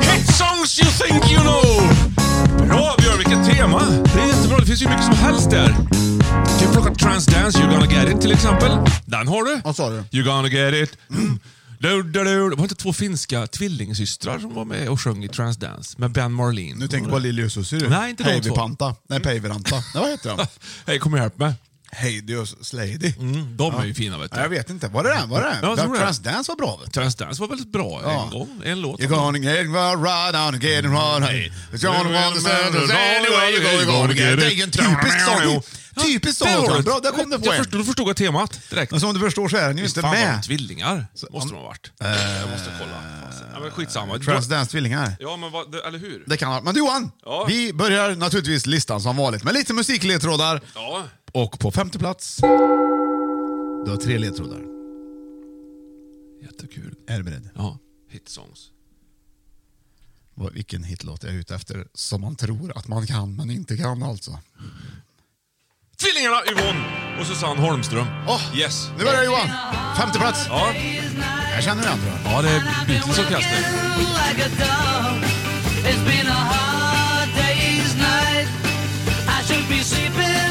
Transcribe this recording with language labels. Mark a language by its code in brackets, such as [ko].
[en] Hit songs you think you know. [sv] Bra, Björn, vilket tema. Det är jättebra, det finns ju mycket som helst där. Du plockar Trans Dance, You're Gonna Get It till exempel. Den har du. Vad sa du? [en] You're Gonna Get It. [sv] Det var inte två finska tvillingsystrar som var med och sjöng i Trans Dance med Ben Marlin. Nu tänker du på Lili och Susie. Nej, inte de två. Heidi Panta. Nej, Peiviranta. Nej, vad heter de? Hej, kom och hjälp mig. Heidi och Slady. De är ju fina, vet du. Jag vet inte. Var det den? Var det den? Ja, Trans Dance var bra, vet du. Trans Dance var väldigt bra en gång. En låt. [en] You're gonna get it right on and get it right. It's gonna want to send us anywhere you go. You're gonna get it. [sv] Det är ju en typisk sång. Typiskt sång. Bra, där kom det på en. Du förstod temat direkt. Som du förstår så är den ju inte med. Fan, tvillingar måste de ha varit. Jag måste kolla. Skitsamma. Trans Dance tvillingar. Ja, men eller hur? Det kan vara. Men Johan, vi börjar naturligtvis listan som vanligt med lite musikledtrådar. Ja. Och på femte plats, du har tre ledtrådar. Jättekul. Är du beredd? Ja, hitsongs. Vilken hitlåt jag är ute efter som man tror att man kan men inte kan, alltså. Tvillingarna, Yvonne och Susanne Holmström. Oh, [en] yes. [sv] Nu börjar det, Johan. Femte plats. Ja. Jag känner den, tror jag. Ja, det är Beatles och Kester. [en] It's been a hard day's night. I should be sleeping.